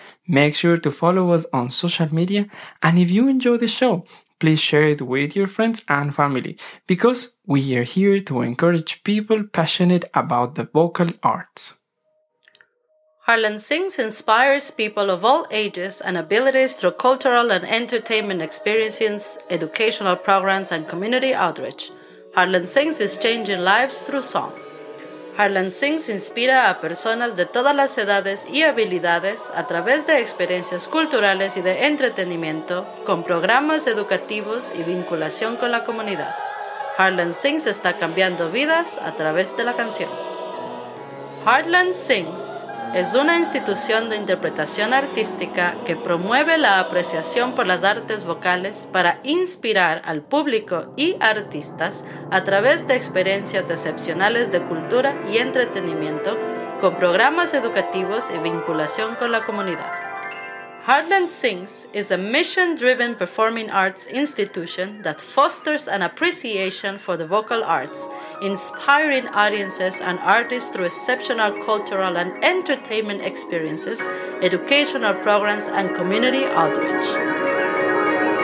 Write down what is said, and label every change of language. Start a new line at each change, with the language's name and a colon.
English: Make sure to follow us on social media, and if you enjoy the show, please share it with your friends and family, because we are here to encourage people passionate about the vocal arts. Harlan Sings inspires people of all ages and abilities through cultural and entertainment experiences, educational programs, and community outreach. Harlan Sings is changing lives through song.
Spanish: Harlan Sings inspira a personas de todas las edades y habilidades a través de experiencias culturales y de entretenimiento, con programas educativos y vinculación con la comunidad. Harlan Sings está cambiando vidas a través de la canción. Harlan Sings es una institución de interpretación artística que promueve la apreciación por las artes vocales para inspirar al público y artistas a través de experiencias excepcionales de cultura y entretenimiento con programas educativos y vinculación con la comunidad.
English: Harlan Sings is a mission-driven performing arts institution that fosters an appreciation for the vocal arts, inspiring audiences and artists through exceptional cultural and entertainment experiences, educational programs, and community outreach.